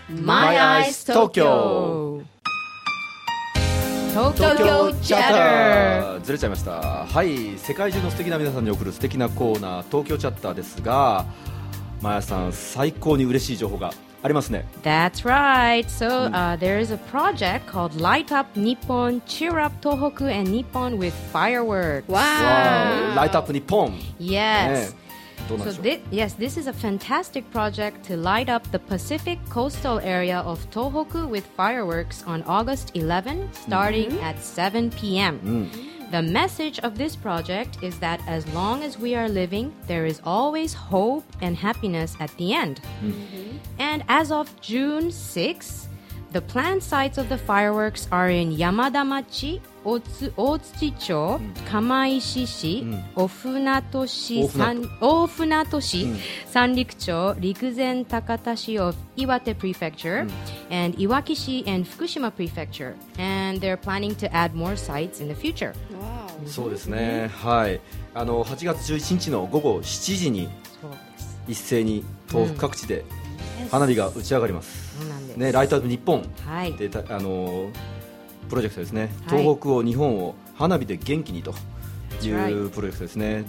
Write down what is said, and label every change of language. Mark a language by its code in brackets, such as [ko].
[en] My Eyes Tokyo Tokyo Chatter。 [ja] ずれちゃいました。はい、世界中の素敵な皆さんに送る素敵なコーナー東京チャッターですが、まやさん最高に嬉しい情報がありますね。 [en] That's right. So、there is a project called Light Up Nippon, Cheer Up Tohoku and Nippon with Fireworks. Wow! Light Up Nippon. Yes.、ね、 [ja] どうなんでしょう? [en] Yes, this is a fantastic project to light up the Pacific coastal area of Tohoku with fireworks on August 11, starting、mm-hmm. at 7 p.m.、 Mm. The message of this project is that as long as we are living, there is always hope and happiness at the end.、 Mm-hmm. And as of June 6th, the planned sites of the fireworks are in Yamada-machi, Otsuchi-cho, Kamaishi-shi, Ofunatoshi, Sanriku-cho, Rikuzen-takata-shi of Iwate Prefecture,、mm. and Iwaki-shi and Fukushima Prefecture. And they're planning to add more sites in the future. Wow. [ja] そうですね。はい。あの、8月11日の午後7時に一斉に東北各地で、mm. 花火が打ち上がります。そうなんです、ね、ライトアップ日本、はい、でたプロジェクトですね、はい、東北を日本を花火で元気にというプロジェクトですね、